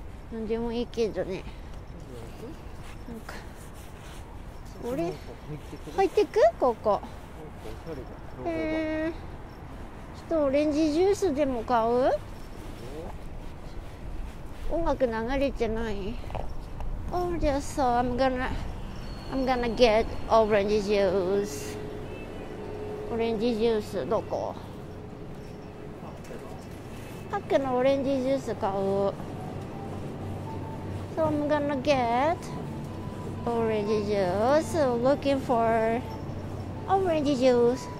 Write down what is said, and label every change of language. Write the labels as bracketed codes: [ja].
[ja] 何でもいいけどね。なんか、あれ入ってく？ここ。ちょっとオレンジジュースでも買う？音楽流れてない。 [en] Oh, just so I'm gonna get orange juice. [ja] オレンジジュースどこ？パックのオレンジジュース買う。 [en] So I'm gonna get orange juice. Looking for orange juice.